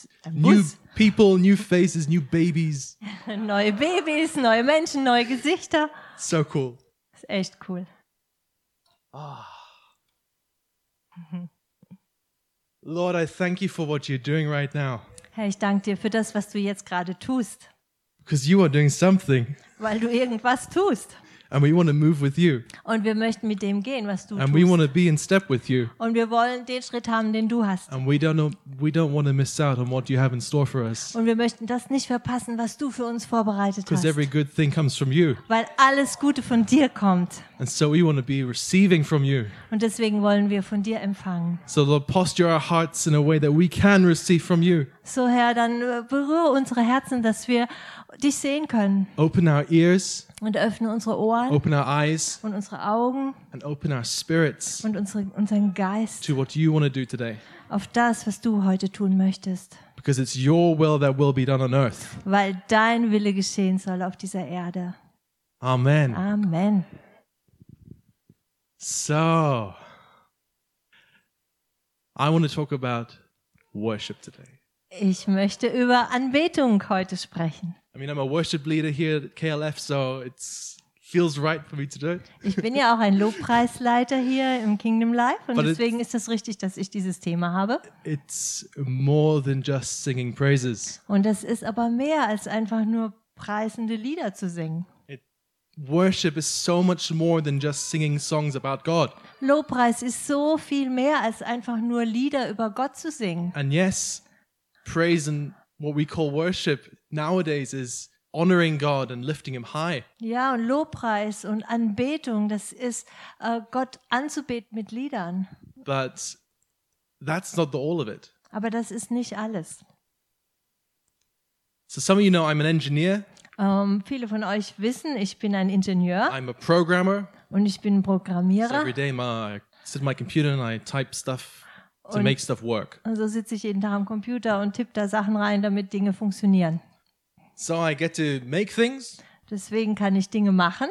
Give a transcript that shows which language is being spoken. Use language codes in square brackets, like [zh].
[en] New people, new faces, new babies. [de] Neue Babys, neue Menschen, neue Gesichter. [en] So cool. [de] Ist echt cool. Oh. [en] Lord, I thank you for what you're doing right now. [de] Herr, ich danke dir für das, was du jetzt gerade tust. [en] Because you are doing something. [de] Weil du irgendwas tust. [en] And we want to move with you. [de] Und wir möchten mit dem gehen, was du [en] and [de] tust. [en] We want to be in step with you. [de] Und wir wollen den Schritt haben, den du hast. [en] And we don't want to miss out on what you have in store for us. [de] Und wir möchten das nicht verpassen, was du für uns vorbereitet hast. [en] Because every good thing comes from you. [de] Weil alles Gute von dir kommt. [en] And so we want to be receiving from you. [de] Und deswegen wollen wir von dir empfangen. [en] So Lord, posture our hearts in a way that we can receive from you. [de] So Herr, dann berühre unsere Herzen, dass wir dich sehen können. [en] Open our ears. [de] Und öffne unsere Ohren. [en] Open our eyes. [de] Und unsere Augen. [en] And open our spirits. [de] Und unseren Geist. [en] To what you want to do today. [de] Auf das, was du heute tun möchtest. [en] Because it's your will that will be done on earth. [de] Weil dein Wille geschehen soll auf dieser Erde. Amen. Amen. [en] So, I want to talk about worship today. [de] Ich möchte über Anbetung heute sprechen. [en] I mean, I'm a worship leader here at KLF, so it's feels right for me to do it. [de] Ich bin ja auch ein Lobpreisleiter hier im Kingdom Life und deswegen ist das richtig, dass ich dieses Thema habe. [en] It's more than just singing praises. [de] Und das ist aber mehr als einfach nur preisende Lieder zu singen. [en] Worship is so much more than just singing songs about God. [de] Lobpreis ist so viel mehr als einfach nur Lieder über Gott zu singen. [en] And yes, praise and what we call worship nowadays is honoring God and lifting him high. [de] Ja, und Lobpreis und Anbetung, das ist Gott anzubeten mit Liedern. [en] But that's not the all of it. [de] Aber das ist nicht alles. [en] So some of you know I'm an engineer. [de] Viele von euch wissen, ich bin ein Ingenieur. [en] I'm a programmer. [de] Und ich bin ein Programmierer. [en] So every day I sit at my computer and I type stuff. To make stuff work. [de] Und so sitze ich jeden Tag am Computer und tippe da Sachen rein, damit Dinge funktionieren. [en] So I get to make things. [de] Deswegen kann ich Dinge machen.